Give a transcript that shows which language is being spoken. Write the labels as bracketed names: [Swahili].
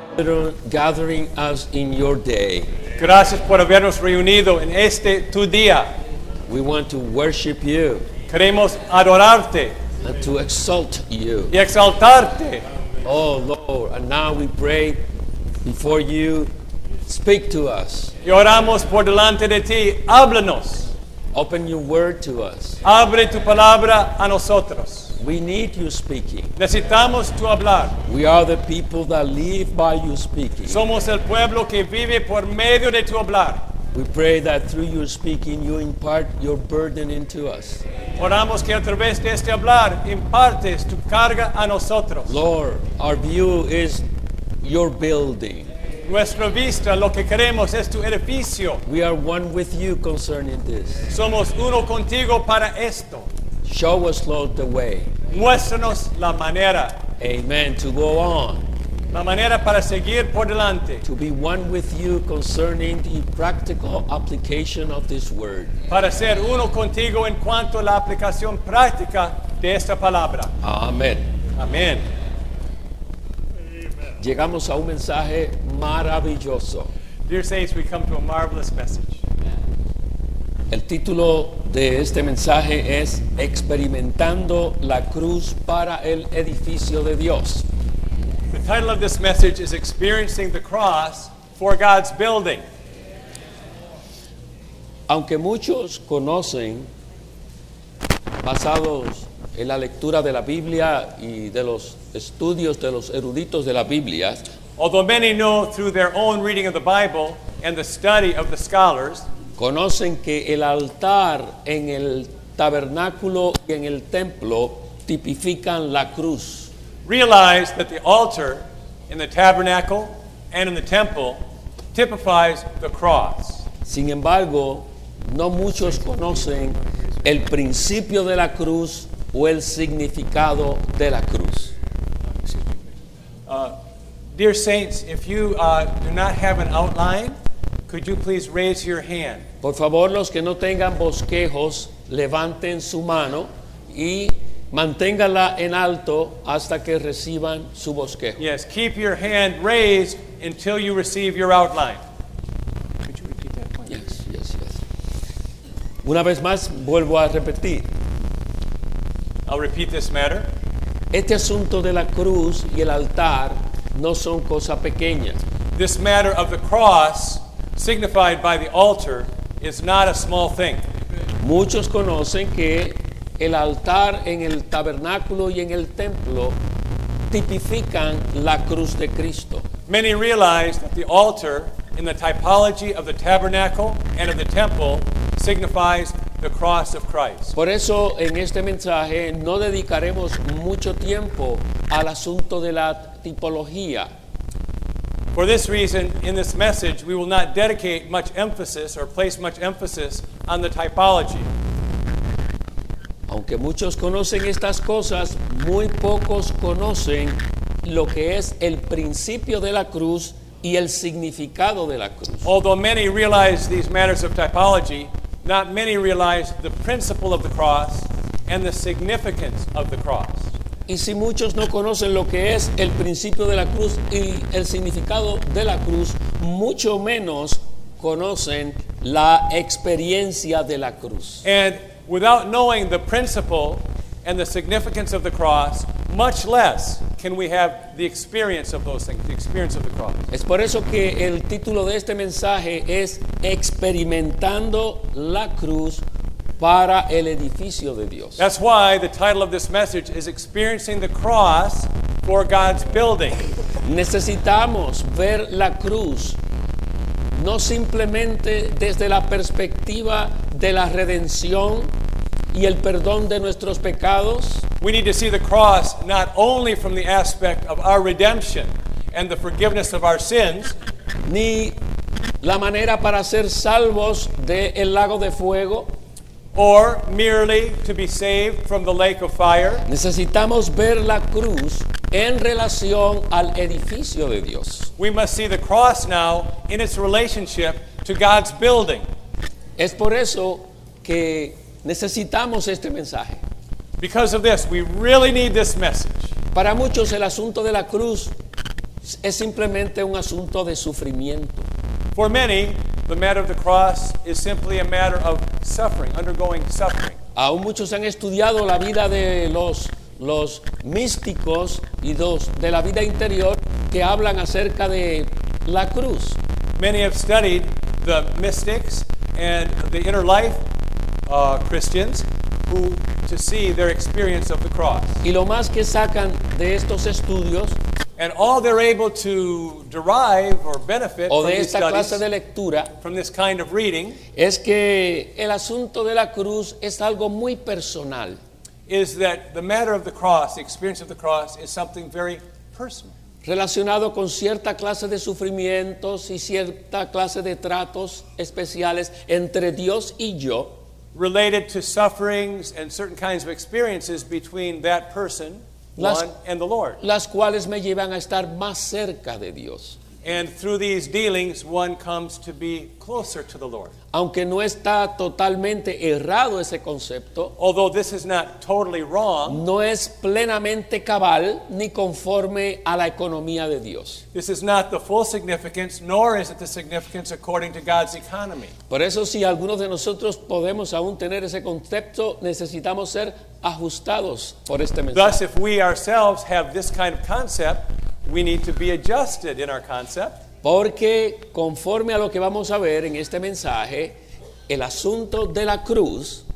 [English] gathering us in your day. [Spanish] Gracias por habernos reunido en este tu día. [English] We want to worship you. [Spanish] Queremos adorarte. [English] And to exalt you. [Spanish] Y exaltarte. [English] Oh Lord, and now we pray before you, speak to us. [Spanish] Y oramos por delante de ti, háblanos. [English] Open your word to us. [Spanish] Abre tu palabra a nosotros. [English] We need you speaking. [Spanish] Necesitamos tu hablar. [English] We are the people that live by you speaking. [Spanish] Somos el pueblo que vive por medio de tu hablar. [English] We pray that through your speaking you impart your burden into us. [Spanish] Oramos que a través de este hablar impartes tu carga a nosotros. [English] Lord, our view is your building. [Spanish] Nuestra vista, lo que queremos es tu edificio. [English] We are one with you concerning this. [Spanish] Somos uno contigo para esto. [English] Show us, Lord, the way. [Spanish] Muéstranos la manera. [English] Amen. To go on. [Spanish] La manera para seguir por delante. [English] To be one with you concerning the practical application of this word. [Spanish] Para ser uno contigo en cuanto a la aplicación práctica de esta palabra. Amen. Amen. Llegamos a un mensaje maravilloso. [English] Dear saints, we come to a marvelous message. [Spanish] El título de este mensaje es Experimentando la cruz para el edificio de Dios. [English] The title of this message is Experiencing the Cross for God's Building. [Spanish] Aunque muchos conocen, basados en la lectura de la Biblia y de los estudios de los eruditos de la Biblia, [English] although many know through their own reading of the Bible and the study of the scholars, [Spanish] conocen que el altar en el tabernáculo y en el templo tipifican la cruz. [English] Realize that the altar in the tabernacle and in the temple typifies the cross. [Spanish] Sin embargo, no muchos conocen el principio de la cruz o el significado de la cruz. [English] Dear saints, if you do not have an outline, could you please raise your hand? [Spanish] Por favor, los que no tengan bosquejos, levanten su mano y manténgala en alto hasta que reciban su bosquejo. [English] Yes, keep your hand raised until you receive your outline. Could you repeat that point? Yes, yes, yes. [Spanish] Una vez más, vuelvo a repetir. [English] I'll repeat this matter. [Spanish] Este asunto de la cruz y el altar no son cosa pequeña. [English] This matter of the cross, signified by the altar, is not a small thing. [Spanish] Muchos conocen que el altar en el tabernáculo y en el templo tipifican la cruz de Cristo. [English] Many realize that the altar in the typology of the tabernacle and of the temple signifies the cross of Christ. [Spanish] Por eso en este mensaje no dedicaremos mucho tiempo al asunto de la tipología. [English] For this reason, in this message, we will not dedicate much emphasis or place much emphasis on the typology. [Spanish] Aunque muchos conocen estas cosas, muy pocos conocen lo que es el principio de la cruz y el significado de la cruz. [English] Although many realize these matters of typology, not many realize the principle of the cross and the significance of the cross. [Spanish] Y si muchos no conocen lo que es el principio de la cruz y el significado de la cruz, mucho menos conocen la experiencia de la cruz. [English] And without knowing the principle and the significance of the cross, much less can we have the experience of those things, the experience of the cross. [Spanish] Es por eso que el título de este mensaje es Experimentando la Cruz para el edificio de Dios. [English] That's why the title of this message is Experiencing the Cross for God's Building. [Spanish] Necesitamos ver la cruz no simplemente desde la perspectiva de la redención y el perdón de nuestros pecados. [English] We need to see the cross not only from the aspect of our redemption and the forgiveness of our sins, [Spanish] ni la manera para ser salvos de el lago de fuego, [English] or merely to be saved from the lake of fire. [Spanish] Necesitamos ver la cruz en relación al edificio de Dios. [English] We must see the cross now in its relationship to God's building. [Spanish] Es por eso que necesitamos este mensaje. [English] Because of this, we really need this message. [Spanish] Para muchos el asunto de la cruz es simplemente un asunto de sufrimiento. [English] For many, the matter of the cross is simply a matter of suffering, undergoing suffering. [Spanish] Aún muchos han estudiado la vida de los místicos y dos de la vida interior que hablan acerca de la cruz. [English] Many have studied the mystics and the inner life Christians who to see their experience of the cross. [Spanish] Y lo más que sacan de estos estudios, [English] and all they're able to derive or benefit from these studies, [Spanish] clase de lectura, [English] from this kind of reading, [Spanish] es que el asunto de la cruz es algo muy personal. [English] Is that the matter of the cross, the experience of the cross, is something very personal. [Spanish] Relacionado con cierta clase de sufrimientos y cierta clase de tratos especiales entre Dios y yo. [English] Related to sufferings and certain kinds of experiences between that person, one, and the Lord. [Spanish] Las cuales me llevan a estar más cerca de Dios. [English] And through these dealings, one comes to be closer to the Lord. [Spanish] Aunque no está totalmente errado ese concepto, [English] although this is not totally wrong, [Spanish] no es plenamente cabal ni conforme a la economía de Dios. [English] This is not the full significance, nor is it the significance according to God's economy. [Spanish] Por eso, si algunos de nosotros podemos aún tener ese concepto, necesitamos ser ajustados por este mensaje. [English] Thus, if we ourselves have this kind of concept, we need to be adjusted in our concept. [Spanish] Porque conforme a lo que vamos a ver en este mensaje, el asunto de la cruz,